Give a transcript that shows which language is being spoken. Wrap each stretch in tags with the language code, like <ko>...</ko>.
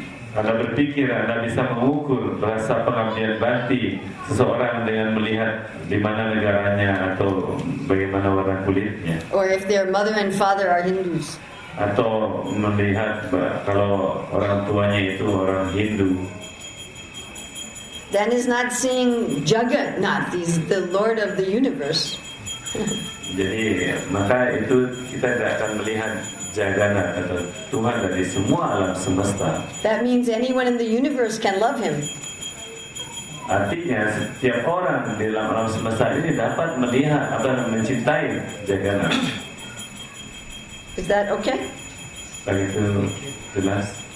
<id>Kalau berpikir Anda bisa mengukur rasa pengabdian bhakti seseorang dengan melihat di mana negaranya atau bagaimana warna kulitnya.</id> <en>Or if their mother and father are Hindus.</en> <id>Atau melihat kalau orang tuanya itu orang Hindu.</id> <en>Then is not seeing Jagannath, he's the Lord of the universe.</en> <id>Jadi maka itu kita tidak akan melihat Jagannath atau Tuhan dari semua alam semesta.</id> <en>That means anyone in the universe can love him.</en> <id>Artinya setiap orang di dalam alam semesta ini dapat melihat atau mencintai Jagannath.</id> <en>Is that okay?</en> <id>Begitu jelas.</id>